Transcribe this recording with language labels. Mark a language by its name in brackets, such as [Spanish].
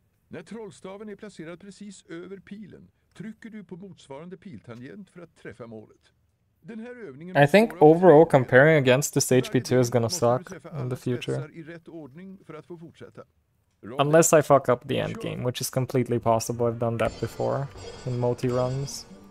[Swedish] När trollstaven är placerad precis över pilen, trycker du på motsvarande piltangent för att träffa målet. Den här övningen. [English] I think overall comparing against this HP2 is gonna suck in the future. [Swedish] I rätt ordning för att få fortsätta. [English] Unless I fuck up the endgame, which is completely possible. I've done that before in multi-runs.